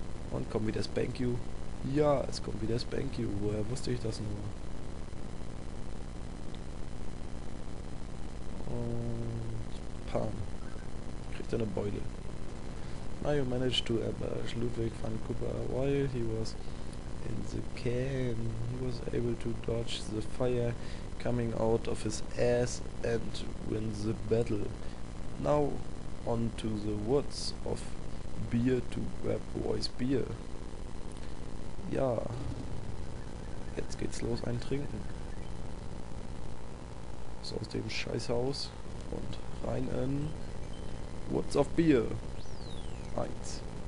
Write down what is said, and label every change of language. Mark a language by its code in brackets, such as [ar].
[de] Und kommt wieder Spank You. Ja, es kommt wieder Spank You. Woher wusste ich das nur? Und Pam. Kriegt eine Beule. [en] I managed to ambush Ludwig van Cooper while he was in the can. He was able to dodge the fire coming out of his ass and win the battle. Now on to the woods of beer to grab boys beer. [de] Ja, jetzt geht's los, ein Trinken. So aus dem Scheißhaus und rein in Woods of Beer. Eins.